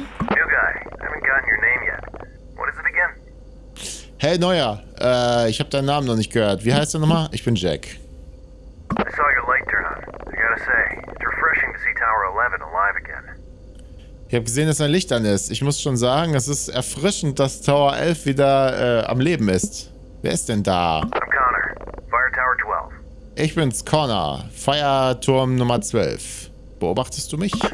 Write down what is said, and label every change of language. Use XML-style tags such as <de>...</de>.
<en>New guy, I haven't gotten your name yet. What is it again?</en> <de>Hey Neuer, ich habe deinen Namen noch nicht gehört. Wie heißt du nochmal? Ich bin Jack.</de> <en>I saw your light turn on. I gotta say, it's refreshing to see Tower 11 alive again.</en> <de>Ich habe gesehen, dass dein Licht an ist. Ich muss schon sagen, es ist erfrischend, dass Tower 11 wieder am Leben ist. Wer ist denn da?</de> <en>I'm Connor, Fire Tower 12.</en> <de>Ich bin's, Connor, Feuerturm Nummer 12. Beobachtest du mich?</de>